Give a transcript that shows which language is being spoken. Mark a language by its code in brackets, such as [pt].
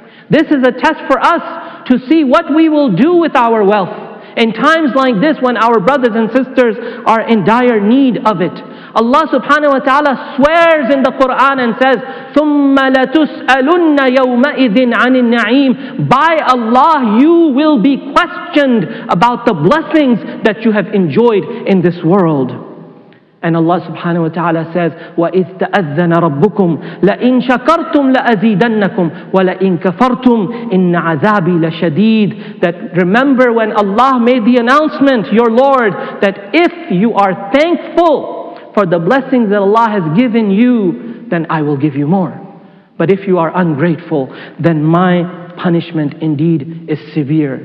[en] This is a test for us to see what we will do with our wealth in times like this when our brothers and sisters are in dire need of it. Allah subhanahu wa ta'ala swears in the Quran and says, [ar] ثُمَّ لَتُسْأَلُنَّ يَوْمَئِذٍ عَنِ النَّعِيمِ. [en] By Allah, you will be questioned about the blessings that you have enjoyed in this world. And Allah subhanahu wa ta'ala says, [ar] وَإِذْ تَأَذَّنَ رَبُّكُمْ لَإِنْ شَكَرْتُمْ لَأَزِيدَنَّكُمْ وَلَإِنْ كَفَرْتُمْ إِنَّ عَذَابِي لَشَدِيدٌ. [en] That remember when Allah made the announcement, your Lord, that if you are thankful for the blessings that Allah has given you, then I will give you more. But if you are ungrateful, then my punishment indeed is severe.